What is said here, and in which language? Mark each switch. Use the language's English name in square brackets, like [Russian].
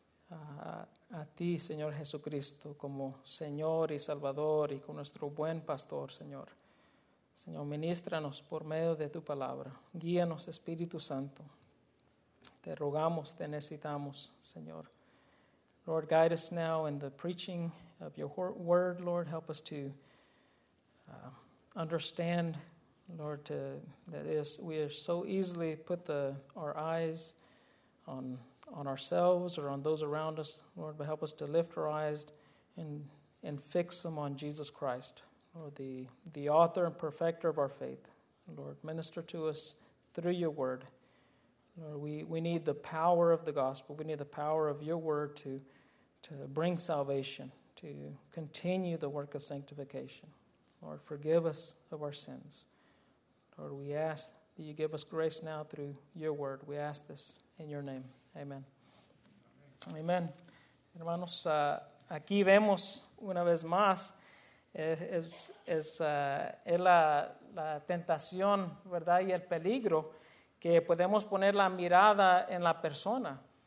[Spanish] A ti, Señor Jesucristo, como Señor y Salvador y con nuestro buen pastor, Señor. Señor, ministranos por medio de tu palabra. Guíanos, Espíritu Santo. Te rogamos, te necesitamos, Señor. [English] Lord, guide us now in the preaching of your word, Lord. Help us to understand, Lord, we are so easily put our eyes on ourselves or on those around us, Lord, but help us to lift our eyes and fix them on Jesus Christ, Lord, the author and perfecter of our faith. Lord, minister to us through your word. Lord, we need the power of the gospel. We need the power of your word to bring salvation, to continue the work of sanctification. Lord, forgive us of our sins. Lord, we ask that you give us grace now through your word. We ask this in your name. Amén. Amén. [Spanish] Hermanos, aquí vemos una vez más, es la tentación, ¿verdad?, y el peligro que podemos poner la mirada en la persona.